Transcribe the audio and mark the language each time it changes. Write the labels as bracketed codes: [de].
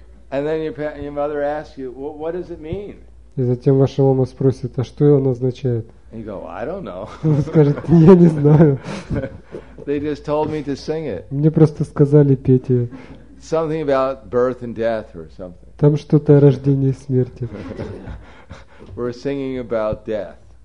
[en] And then your mother asks you, well, what does it mean? [ru] И затем ваша мама спросит, а что он означает? [en] You go, I don't know. [ru] Вы скажете, я не знаю. [en] They just told me to sing it. [ru] Мне просто сказали петь ее. [en] Something about birth and death or something. [ru] Там что-то о рождении и смерти. [en] We're singing about death.